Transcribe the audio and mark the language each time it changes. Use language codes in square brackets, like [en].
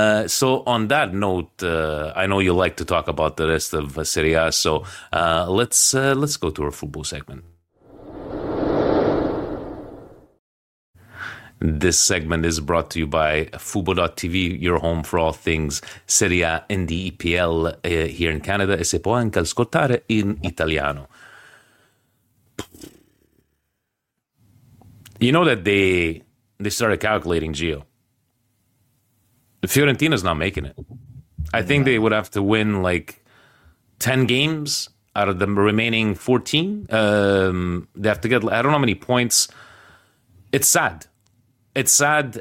[en] So on that note, I know you like to talk about the rest of Serie A, so let's go to our football segment. This segment is brought to you by Fubo.tv, your home for all things Serie A and the EPL here in Canada. [it] E se può anche ascoltare in italiano. [en] You know that they started calculating, Gio. Fiorentina's not making it. I think they would have to win like 10 games out of the remaining 14. They have to get, I don't know how many points. It's sad. It's sad.